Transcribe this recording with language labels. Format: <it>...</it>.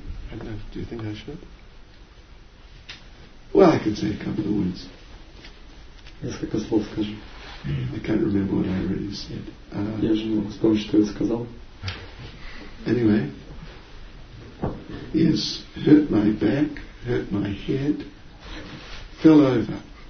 <en>I don't know. Do you think I should? Well, I can say a couple of words. Yes, like a small scotch. I can't remember what I already said.</en> <ru>Я же не могу вспомнить, что я сказал.</ru> <en>Anyway. Yes, hurt my back, hurt my head, fell over.</en>